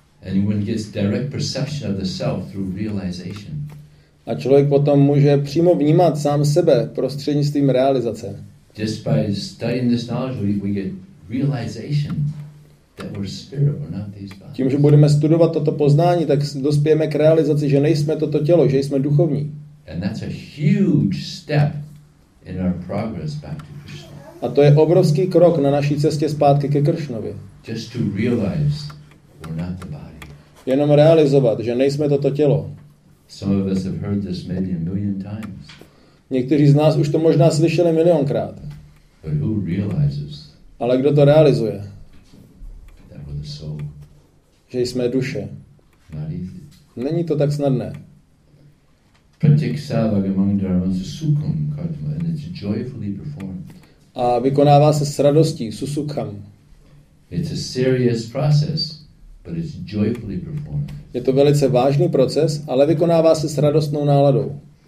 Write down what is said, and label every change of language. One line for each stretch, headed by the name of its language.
English: Anyone gets direct perception of the self through realization.
Czech: A člověk potom může přímo vnímat sám sebe prostřednictvím realizace.
English: Just by studying this knowledge we get realization. That we're spirit, we're not these bodies.
Czech: Tím, že budeme studovat toto poznání, tak dospějeme k realizaci, že nejsme toto tělo, že jsme duchovní.
English: And that's a huge step in our progress back to Krishna.
Czech: A to je obrovský krok na naší cestě zpátky ke Kršnovi.
English: Just to realize we're not the body.
Czech: Jenom realizovat, že nejsme toto tělo.
English: Some of us have heard this maybe a million times.
Czech: Někteří z nás už to možná slyšeli milionkrát.
English: But who realizes?
Czech: Ale kdo to realizuje?
English: Soul.
Czech: Že jsme duše.
English: Not easy.
Czech: Není to tak snadné.
Sanskrit: Pratyaksa bhagaman dharma susukham kartma
English: and it's joyfully performed.
Czech: A vykonává se s radostí, susukham.
English: It's a serious process, but it's joyfully performed.
Czech: Je to velice vážný proces, ale vykonává se s radostnou náladou.